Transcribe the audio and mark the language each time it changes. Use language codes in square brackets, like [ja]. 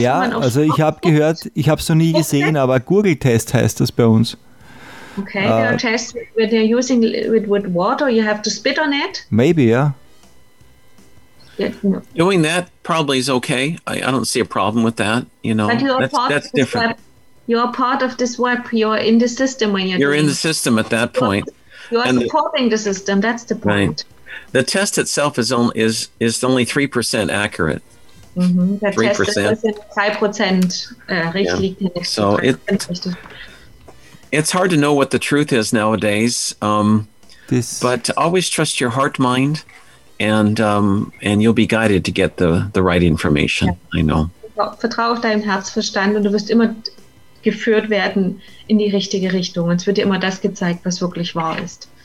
[de] Ja, also ich habe gehört, ich habe es noch nie gesehen, aber Gurgeltest heißt das bei uns. [en] Okay, there are tests where they're using it with water, you have to spit on it? Maybe, yeah. Doing that probably is okay. I don't see a problem with that. You know, that's different. You're part of this web. You're in the system when you're doing it. In the system at that point. You're supporting the system. That's the point. Right. The test itself is only 3% accurate. Mm-hmm. The 3%. Test is [de] 5% richtig. [en] So it's hard to know what the truth is nowadays. But always trust your heart, mind. And you'll be guided to get the right information. Yeah. I know. [de] Vertrau auf deinem Herzverstand und du wirst immer geführt werden in die richtige Richtung. Es wird dir immer das gezeigt, was wirklich wahr ist.